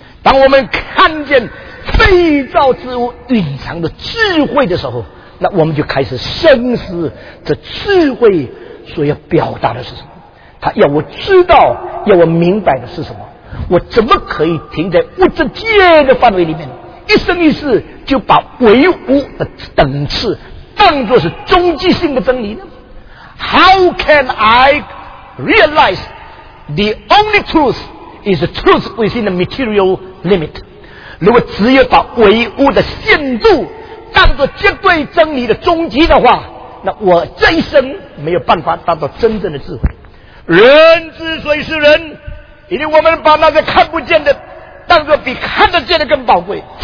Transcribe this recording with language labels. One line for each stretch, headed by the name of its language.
Chinese: 当我们看见被造之物隐藏的智慧的时候，那我们就开始深思这智慧所要表达的是什么。他要我知道，要我明白的是什么。我怎么可以停在物质界的范围里面，一生一世就把唯物的等次当作是终极性的真理呢？
English: How can I realize the only truth is the truth within the material limit?
Chinese: 如果只有把唯物的限度当作绝对真理的终极的话，那我这一生没有办法达到真正的智慧。人之所以是人，因为我们把那个看不见的当作比看得见的更宝贵。